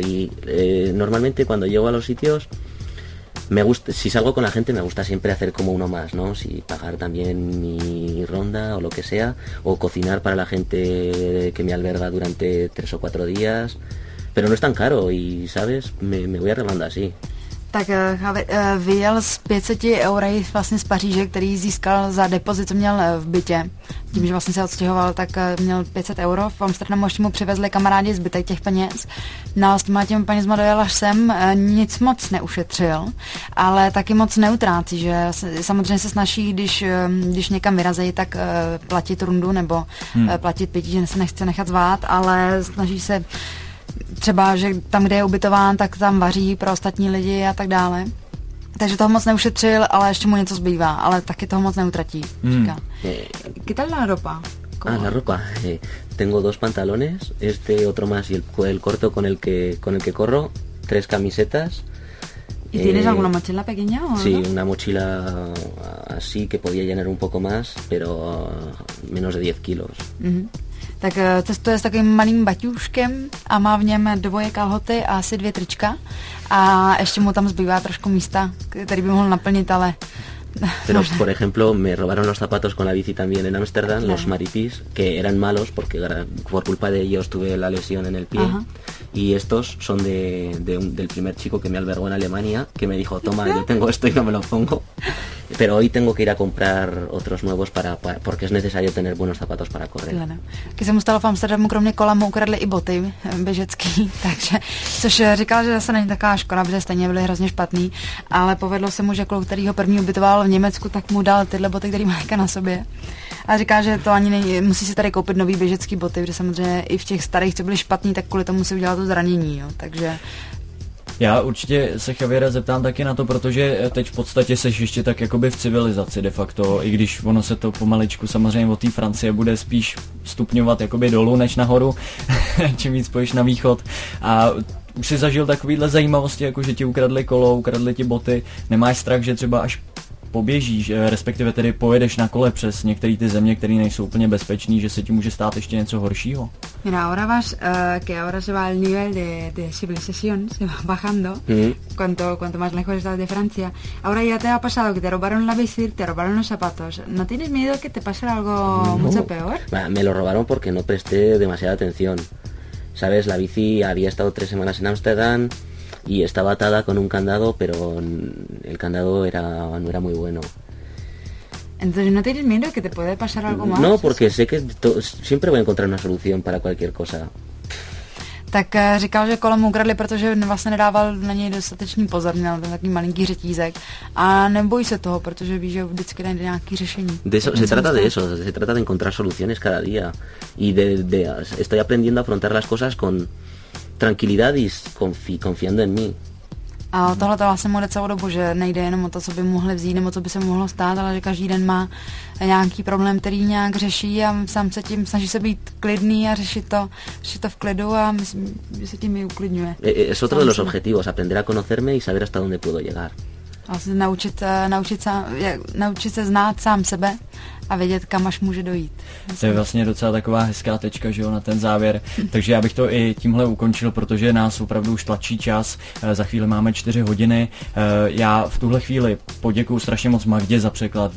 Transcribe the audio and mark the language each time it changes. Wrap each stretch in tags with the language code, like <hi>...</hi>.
<es>Y normalmente cuando llego a los sitios, si salgo con la gente, me gusta siempre hacer como uno más, ¿no? Si pagar también mi ronda o lo que sea, o cocinar para la gente que me alberga durante 3 o 4 días, pero no es tan caro y, ¿sabes? Me voy arreglando así.</es> <cs>Tak vyjel z 500 eurej vlastně z Paříže, který získal za depozit, co měl v bytě. Tím, že vlastně se odstěhoval, tak měl 500 euro. V Amsterdamu ještě mu přivezli kamarádi zbytek těch peněz. No a s těmi penězma dojel až sem, nic moc neušetřil, ale taky moc neutrácí, že samozřejmě se snaží, když někam vyrazejí, tak platit rundu nebo platit pití, že se nechce nechat zvát, ale snaží se třeba, že tam, kde je ubytován, tak tam vaří pro ostatní lidi a tak dále. Takže toho moc neušetřil, ale ještě mu něco zbývá, ale taky toho moc neutratí, říká.</cs> <es>¿Qué tal la ropa? Ah, la ropa. Tengo dos pantalones, este otro más y el corto con el que corro, tres camisetas. ¿Y tienes alguna mochila pequeña o sí, no? Una mochila así que podía llenar un poco más, pero menos de 10 kilos.</es> <cs>Tak cestuje s takovým malým baťuškem a má v něm dvoje kalhoty a asi dvě trička a ještě mu tam zbývá trošku místa, který by mohl naplnit, ale...</cs> <es>Pero, por ejemplo, me robaron los zapatos con la bici también en Ámsterdam, claro. Los Maripis, que eran malos porque por culpa de ellos tuve la lesión en el pie. Ajá. Y estos son del primer chico que me albergó en Alemania, que me dijo, toma, yo tengo esto y no me lo pongo. Pero hoy tengo que ir a comprar otros nuevos para porque es necesario tener buenos zapatos para correr. Claro.</es> <cs>Que se mu stalo v Amsterdamu, kromě kola mu ukradli i boty běžecký, takže, což říkal, že zase není taková škoda, protože stejně byly hrozně špatný, ale povedlo se mu, že kluk, který ho první ubytoval v Německu, tak mu dal tyhle boty, který má na sobě. A říká, že to ani musí si tady koupit nový běžecký boty, protože samozřejmě i v těch starých, co byly špatný, tak kvůli tomu si udělal to zranění, jo. Takže... Já určitě se, Javiere, zeptám taky na to, protože teď v podstatě seš ještě tak jakoby v civilizaci de facto, i když ono se to pomaličku samozřejmě od té Francie bude spíš stupňovat jakoby dolů než nahoru, čím víc pojdeš na východ. A už jsi zažil takovýhle zajímavosti, jako že ti ukradli kolo, ukradli ti boty, nemáš strach, že třeba až poběžíš, respektive tedy pojedeš na kole přes některé ty země, které nejsou úplně bezpečný, že se ti může stát ještě něco horšího?</cs> <es>Mira, ahora vas, que ahora se va el nivel de civilización, se va bajando, cuanto más lejos estás de Francia. Ahora ya te ha pasado que te robaron la bici, te robaron los zapatos. ¿No tienes miedo que te pase algo mucho peor? Me lo robaron porque no presté demasiada atención. Sabes, la bici había estado 3 semanas en Ámsterdam y estaba atada con un candado, pero el candado no era muy bueno. Entonces, ¿no tienes miedo que te puede pasar algo más? No, porque sé que siempre voy a encontrar una solución para cualquier cosa.</es> <cs>Tak říkal, že kolem ukradli, protože vlastně nedával na něj dostatečný pozor, měl ten takový malinký řetízek. A neboj se toho, protože víš, že vždycky najde nějaký řešení.</cs> <es>Se trata de encontrar soluciones cada día. Y de estoy aprendiendo a afrontar las cosas con tranquilidad y confiando en mí.</es> <cs>A tohle to vlastně mu jde celou dobu, že nejde jenom o to, co by mohli vzít, nebo co by se mohlo stát, ale že každý den má nějaký problém, který nějak řeší a sám se tím snaží se být klidný a řešit to v klidu a myslím, že se tím i uklidňuje.</cs> <es>Es otro de los objetivos, aprender a conocerme y saber hasta dónde puedo llegar.</es> <cs>Vlastně naučit se znát sám sebe a vědět, kam až může dojít. To je vlastně docela taková hezká tečka, že jo, na ten závěr. Takže já bych to i tímhle ukončil, protože nás opravdu už tlačí čas. Za chvíli máme 4 hodiny. Já v tuhle chvíli poděkuju strašně moc Magdě za překlad.</cs>